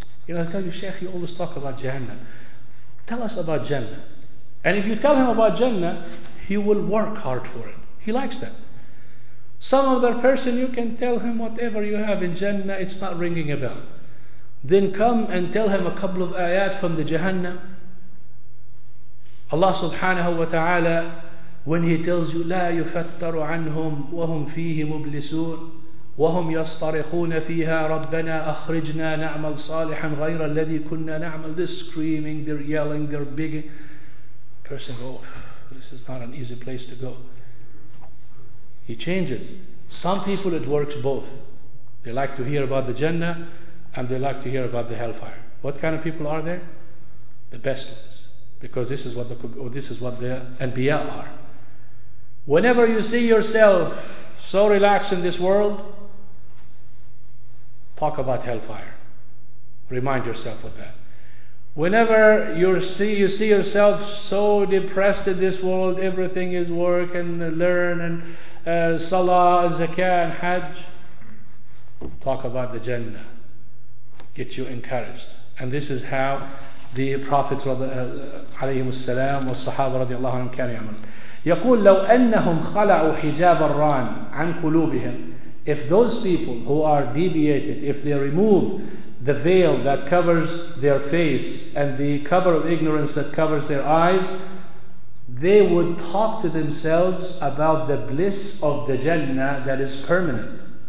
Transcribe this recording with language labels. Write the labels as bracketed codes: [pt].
[en] You know, I tell you, Shaykh, you always talk about Jannah. Tell us about Jannah. And if you tell him about Jannah, he will work hard for it. He likes that. Some other person, you can tell him whatever you have in Jannah, it's not ringing a bell. Then come and tell him a couple of ayat from the Jahannam. Allah subhanahu wa ta'ala, when he tells you, [ar] لا يفتر عنهم وهم فيه مبلسون وهم يصطرخون فيها ربنا أخرجنا نعمل صالحا غير الذي كنا نعمل. [en] They're screaming, they're yelling, they're begging. Person goes, oh, this is not an easy place to go. He changes. Some people it works both. They like to hear about the Jannah and they like to hear about the hellfire. What kind of people are there? The best ones. Because this is what the Anbiya are. Whenever you see yourself so relaxed in this world, talk about hellfire. Remind yourself of that. Whenever you see yourself so depressed in this world, everything is work and learn and salah, zakah, and hajj, talk about the Jannah. Get you encouraged. And this is how the Prophet [ar] عليهم السلام والصحابة رضي الله عنهم كانوا يعملون. يقول لو أنهم خلعوا حجاب الران عن قلوبهم. [en] If those people who are deviated, if they remove the veil that covers their face and the cover of ignorance that covers their eyes, they would talk to themselves about the bliss of the Jannah that is permanent.